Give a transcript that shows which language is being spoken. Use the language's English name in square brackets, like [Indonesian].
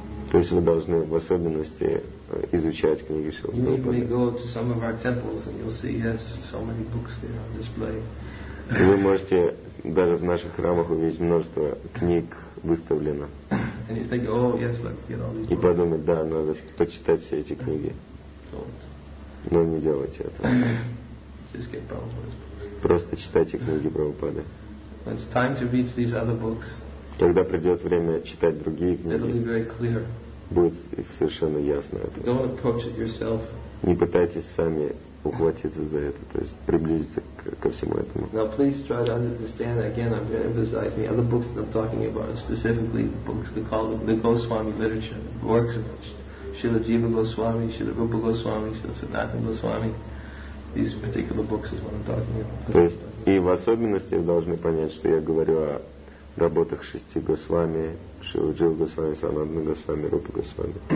[Russian] То есть вы должны в особенности изучать книги Шрилы Прабхупады. [English] You may go to some of our temples and you'll see, yes, so many books there on display. [Russian] Вы можете даже в наших храмах увидеть множество книг выставлено. [English] And you think, oh, yes, look, get all these books. [Russian] И подумать, да, надо почитать все эти книги. Но не делайте этого. [English] Just get Prabhupada's books. [Russian] Просто читайте книги Прабхупады. [English] When it's time to read these other books, [Russian] когда придет время читать другие книги, [English] it'll be very clear. [Russian] Будет совершенно ясно это. [English] Don't approach it yourself. [Russian] Не пытайтесь сами ухватиться за это, то есть приблизиться ко всему этому. [English] Now please try to understand again. I'm going to emphasize the other books that I'm talking about, specifically books called the Goswami literature, the works of Srila Jiva Goswami, Srila Rupa Goswami, Srila Sanatana Goswami. These particular books is what I'm talking about. [Russian] И в особенности вы должны понять, что я говорю о работах шести Госвами, Шрилы Джива Госвами, Санатана Госвами, Рупа Госвами.